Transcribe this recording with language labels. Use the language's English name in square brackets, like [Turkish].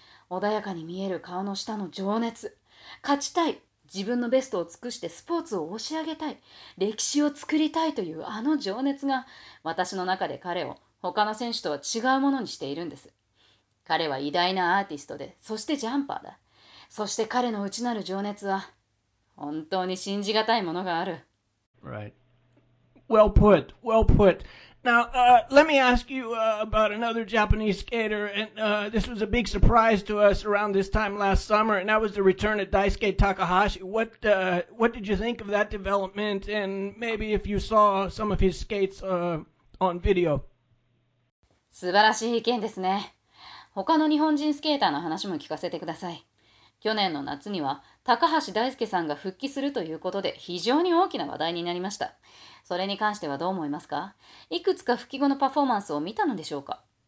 [Japanese] 穏やかに見える顔の下の情熱、勝ちたい、自分のベストを尽くしてスポーツを押し上げたい、歴史を作りたいというあの情熱が私の中で彼を他の選手とは違うものにしているんです。彼は偉大なアーティストで、そしてジャンパーだ。そして彼の内なる情熱は本当に信じがたいものがある。 [English] Right. Well put, well put. Now, let me ask you about another Japanese skater, and this was a big surprise to us around this time last summer, and that was the return of Daisuke Takahashi. What did you think of that development, and maybe if you saw some of his skates on video? [Japanese] 素晴らしい意見ですね。他の日本人スケーターの話も聞かせてください。去年の夏には高橋大輔さんが復帰するということで非常に大きな話題になりました。それに関してはどう思いますか？いくつか復帰後のパフォーマンスを見たのでしょうか？